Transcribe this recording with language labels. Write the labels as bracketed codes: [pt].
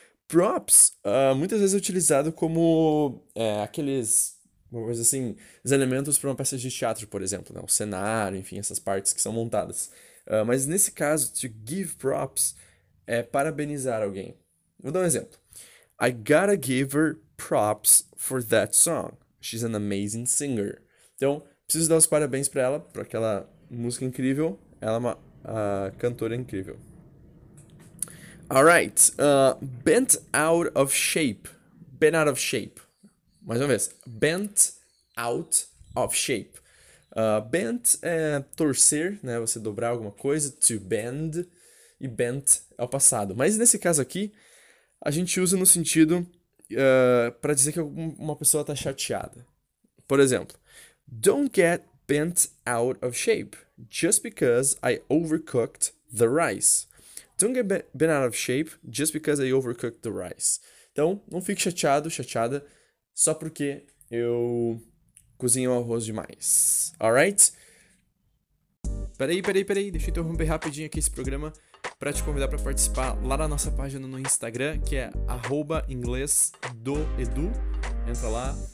[pt] Props, muitas vezes é utilizado como aqueles, vamos dizer assim, os elementos para uma peça de teatro, por exemplo, né? O cenário, enfim, essas partes que são montadas. Mas nesse caso, to give props é parabenizar alguém. Vou dar um exemplo. [en] I gotta give her props for that song. She's an amazing singer. [pt] Então, preciso dar os parabéns para ela, para aquela música incrível. Ela é uma cantora incrível. Alright. [en] Bent out of shape. Bent out of shape. [pt] Mais uma vez. [en] Bent out of shape. Bent [pt] é torcer, né? Você dobrar alguma coisa. To bend. E bent é o passado. Mas nesse caso aqui, a gente usa no sentido para dizer que uma pessoa tá chateada. [en] Por exemplo, don't get bent out of shape just because I overcooked the rice. Don't get bent out of shape just because I overcooked the rice. [pt] Então, não fique chateado, chateada, só porque eu cozinho o arroz demais. Alright? Peraí, deixa eu interromper rapidinho aqui esse programa para te convidar para participar lá na nossa página no Instagram, que é @inglesdoedu. Entra lá.